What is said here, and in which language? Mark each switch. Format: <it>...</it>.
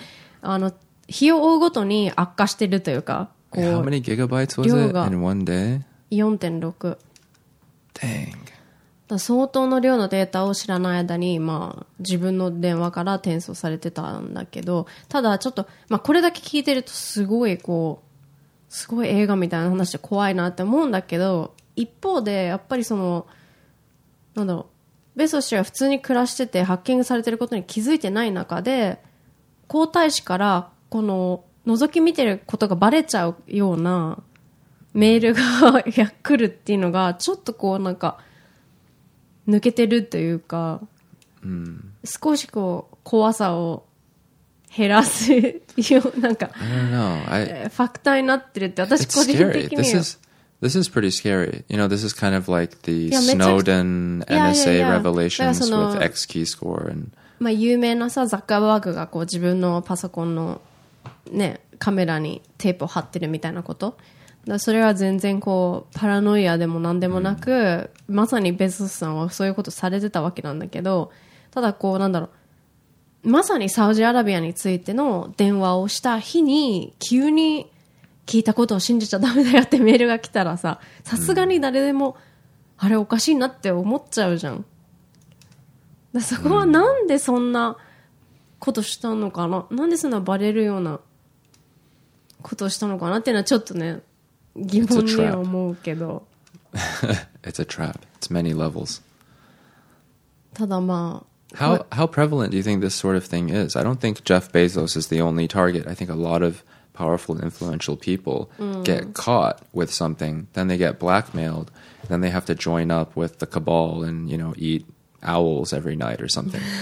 <ja>で、あの日を追うごとに悪化してるというか。</ja> <en>How many gigabytes was it in one day? 4.6 Dang.</en> <ja>だ相当の量のデータを知らない間に、まあ、自分の電話から転送されてたんだけど、ただちょっと、まあ、これだけ聞いてるとすごいこうすごい映画みたいな話で怖いなって思うんだけど、一方でやっぱりそのなんだろう、ベソ氏は普通に暮らしててハッキングされてることに気づいてない中で、皇太子からこの覗き見てることがバレちゃうようなメールが来るっていうのが、ちょっとこうなんか抜けてるというか、少しこう怖さを減らすようなんか、ファクターになってるって、私個人的には</ja> <en>This is pretty scary. You know, this is kind of like the Snowden NSA revelations with X key score and</en> <ja>まあ有名なさ、ザッカーバーグがこう自分のパソコンのね、カメラにテープを貼ってるみたいなこと。だそれは全然こうパラノイアでも何でもなく、まさにベゾスさんはそういうことされてたわけなんだけど、ただこうなんだろう、まさにサウジアラビアについての電話をした日に急に聞いたことを信じちゃダメだよってメールが来たらさ、さすがに誰でもあれおかしいなって思っちゃうじゃん。だそこはなんでそんなことしたのかな、なんでそんなバレるようなことをしたのかなっていうのはちょっとね、疑問に思うけど。</ja> <en>It's a trap. It's many levels.</en> <ja>ただまあ、</ja> <en>How prevalent do you think this sort of thing is? I don't think Jeff Bezos is the only target. I think a lot of powerful and influential people get caught with something, then they get blackmailed, then they have to join up with the cabal and, you know, eat owls every night or something.</en>